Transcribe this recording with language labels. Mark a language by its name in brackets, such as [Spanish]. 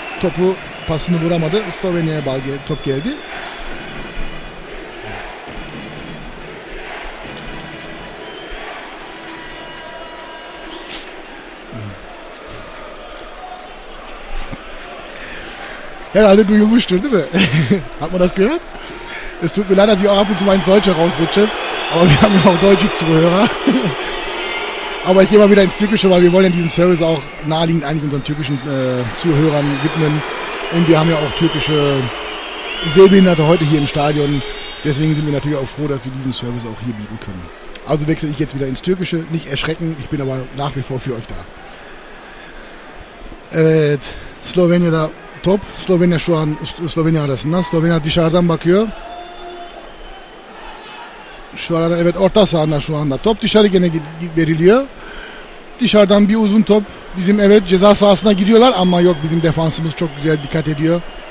[Turkish] Topu pasını vuramadı. Slovenya'ya top geldi. Herhalde duyulmuştur değil mi? [German] Hat man das gehört? Es tut mir leid, dass ich auch ab und zu mein Deutscher rausrutsche. Aber wir haben ja auch deutsche Zuhörer. Aber ich gehe mal wieder ins Türkische, weil wir wollen ja diesen Service auch naheliegend eigentlich unseren türkischen Zuhörern widmen. Und wir haben ja auch türkische Sehbehinderte heute hier im Stadion. Deswegen sind wir natürlich auch froh, dass wir diesen Service auch hier bieten können. Also wechsle ich jetzt wieder ins Türkische. Nicht erschrecken, ich bin aber nach wie vor für euch da. [Turkish] Evet, Slovenia da. Top. Slovenya şu an Slovenya arasından. Slovenya dışarıdan bakıyor. Şu arada evet orta sahanda şu anda. Top dışarı gene veriliyor. Dışarıdan bir uzun top. Bizim evet ceza sahasına giriyorlar ama yok bizim defansımız çok güzel dikkat ediyor.